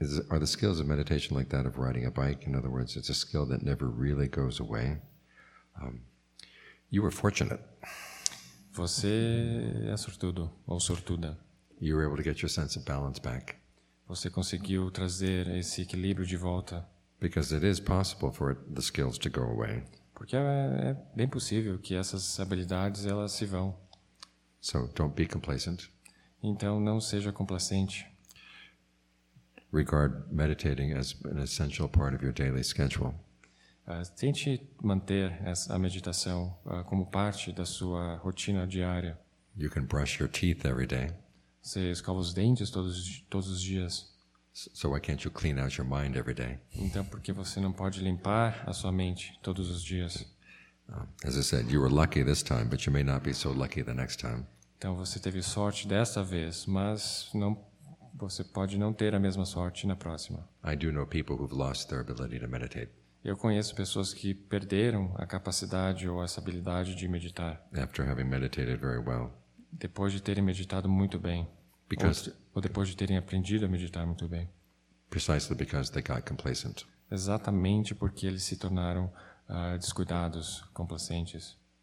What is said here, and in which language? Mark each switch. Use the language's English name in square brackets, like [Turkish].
[English] Are the skills of meditation like that of riding a bike? In other words, it's a skill that never really goes away. You were fortunate. [Portuguese] Você é sortudo ou sortuda. [English] You were able to get your sense of balance back. [Portuguese] Você conseguiu trazer esse equilíbrio de volta. [English] Because it is possible for the skills to go away. [Portuguese] Porque é bem possível que essas habilidades elas se vão. [English] So don't be complacent. [Portuguese] Então não seja complacente. [English] Regard meditating as an essential part of your daily schedule. [Portuguese] Tente manter a meditação como parte da sua rotina diária. [English] You can brush your teeth every day. [Portuguese] Você escova os dentes todos os dias. [English] So why can't you clean out your mind every day? [Portuguese] Então por que você não pode limpar a sua mente todos os dias? [English] As I said, you were lucky this time, but you may not be so lucky the next time. [Portuguese] Então você teve sorte desta vez, mas não você pode não ter a mesma sorte na próxima. [English] I do know people who've lost their ability to meditate. [Portuguese] Eu conheço pessoas que perderam a capacidade ou essa habilidade de meditar. [English] After having meditated very well. [Portuguese] Depois de terem meditado muito bem. [English] Because, [Portuguese] ou depois de terem aprendido a meditar muito bem. [English] Precisely because they got complacent. [Portuguese] Exatamente porque eles se tornaram descuidados, complacentes.